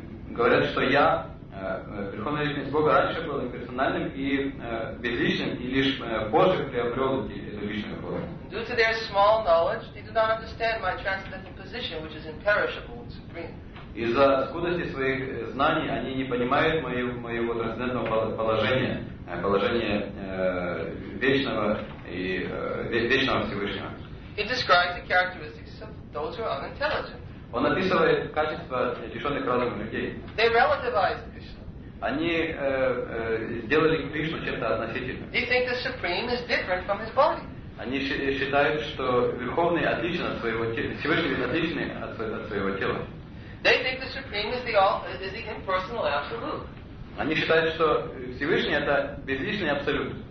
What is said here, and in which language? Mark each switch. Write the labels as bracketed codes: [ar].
[ru] Говорят, что я, Верховная Личность Бога, раньше был имперсональным и безличным, и лишь позже приобрел эту личную форму. [en] Due to their small knowledge, they do not understand my transcendental position, which is imperishable and supreme. [ru] Из-за скудости своих знаний они не понимают моего трансцендентного положения, положения вечного и вечного Всевышнего. [en] He describes the characteristics of those who are unintelligent. [ru] Он описывает качества лишенных разума людей. [en] They relativized Krishna. [ru] Они сделали Кришну чем-то относительным. [en] They think the Supreme is different from his body. [ru] Они считают, что Верховный отличен от своего тела, Всевышний отличен от своего тела. [en] They think the Supreme is the impersonal absolute. [ru] Они считают, что Всевышний это безличный абсолют.